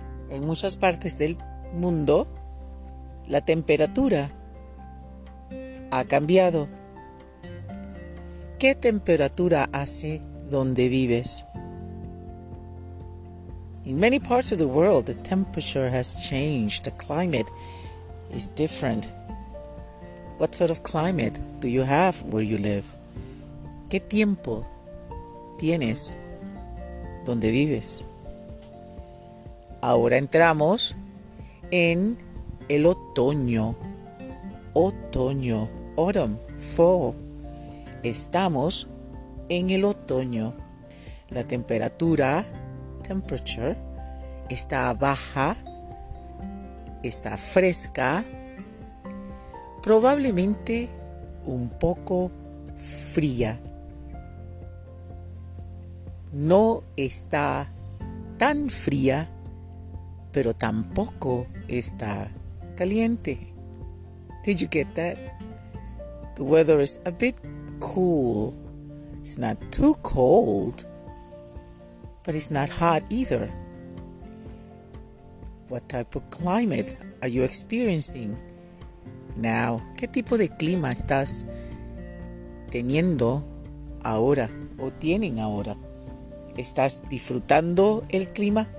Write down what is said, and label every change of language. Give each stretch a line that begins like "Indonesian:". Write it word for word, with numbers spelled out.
Spanish: En muchas partes del mundo, la temperatura ha cambiado. ¿Qué temperatura hace donde vives?
English: In many parts of the world, the temperature has changed. The climate is different. What sort of climate do you have where you live?
Spanish: ¿Qué tiempo tienes donde vives? Ahora entramos en el otoño, otoño,
English: autumn, fall.
Spanish: Estamos en el otoño. La temperatura, temperature, está baja, está fresca, probablemente un poco fría. No está tan fría, pero tampoco está caliente.
English: Did you get that? The weather is a bit cool. It's not too cold, but it's not hot either. What type of climate are you experiencing now?
Spanish: ¿Qué tipo de clima estás teniendo ahora o tienen ahora? ¿Estás disfrutando el clima?